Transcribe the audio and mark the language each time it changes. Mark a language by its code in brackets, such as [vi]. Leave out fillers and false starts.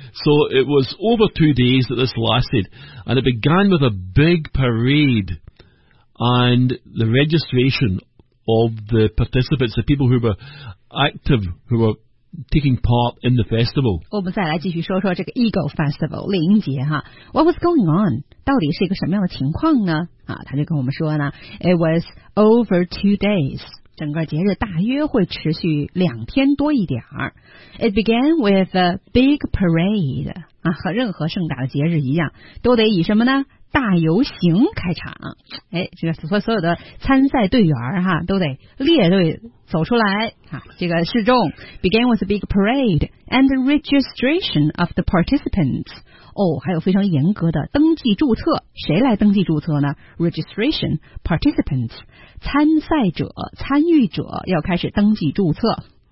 [en] So it was over 2 days that this lasted. And it began with a big parade and the registration of the participants, the people who were active, who were taking part in the festival. [zh] 我们再来继续说说这个 Eagle Festival, 猎鹰节哈。 [en] What was going on? [zh] 到底是一个什么样的情况呢？啊，他就跟我们说呢， [en] It was over 2 days. [zh] 整个节日大约会持续两天多一点儿。 [en] It began with a big parade. [zh] 啊，和任何盛大的节日一样，都得以什么呢？大游行开场，哎，这个所有的参赛队员哈都得列队走出来啊。这个示众 [en] began with a big parade and the registration of the participants. [zh] 哦，还有非常严格的登记注册，谁来登记注册呢 ？ [en] Registration participants， [zh] 参赛者、参与者要开始登记注册。